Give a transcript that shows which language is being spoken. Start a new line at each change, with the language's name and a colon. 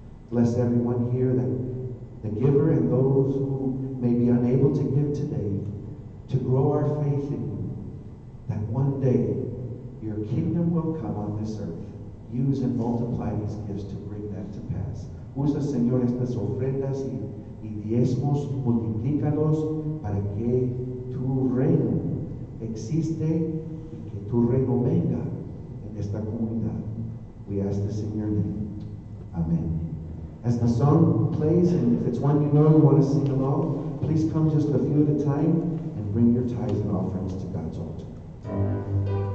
English: Bless everyone here, that the giver, and those who may be unable to give today, to grow our faith in you, that one day your kingdom will come on this earth. Use and multiply these gifts to bring that to pass.
Spanish: Usa, Señor, estas ofrendas y diezmos, multiplícalos para que tu reino existe y que tu reino venga en esta comunidad.
English: We ask this in your name. Amen. As the song plays, and if it's one you know you want to sing along, please come just a few at a time and bring your tithes and offerings to God's altar.